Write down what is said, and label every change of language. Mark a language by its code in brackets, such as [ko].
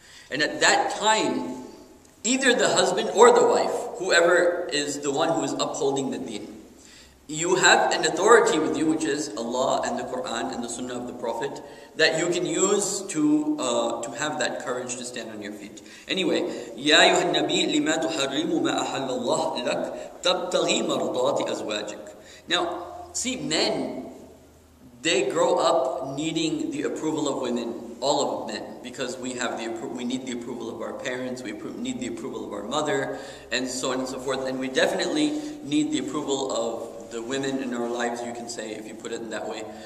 [en] And at that time, either the husband or the wife, whoever is the one who is upholding the deen, you have an authority with you, which is Allah and the Quran and the Sunnah of the Prophet, that you can use to have that courage to stand on your feet. [ar] Anyway, يَا أَيُّهَا النَّبِيِّ لِمَا تُحَرِّمُ مَا أَحَلَّ اللَّهُ لَكْ تَبْتَغِي مَرْضَاتِ أَزْوَاجِكَ. [en] Now, see, men, they grow up needing the approval of women, all of men, because we need the approval of our parents, we need the approval of our mother, and so on and so forth, and we definitely need the approval of the women in our lives, you can say, if you put it in that way.